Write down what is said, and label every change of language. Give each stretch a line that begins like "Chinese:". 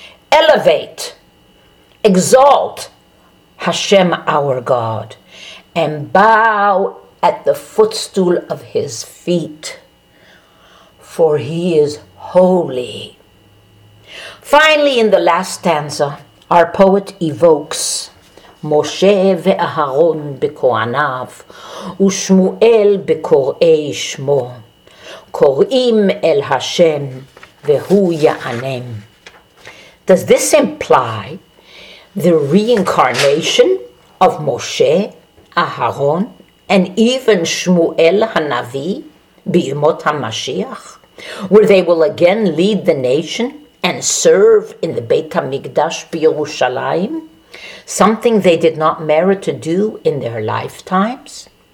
English: Elevate, exalt Hashem our God, and bow at the footstool of his feet, for he is holy. Finally, in the last stanza, our poet evokes
Hebrew: משה ואהרון בכהניו, ושמואל בקוראי שמו. קוראים אל השם, והוא יענם.
English: Does this imply the reincarnation of Moshe, Aharon, and even Shmuel Hanavi,
Hebrew: Bimot HaMashiach,
English: where they will again lead the nation and serve in the Beit HaMikdash Yerushalayim, something they did not merit to do in their lifetimes?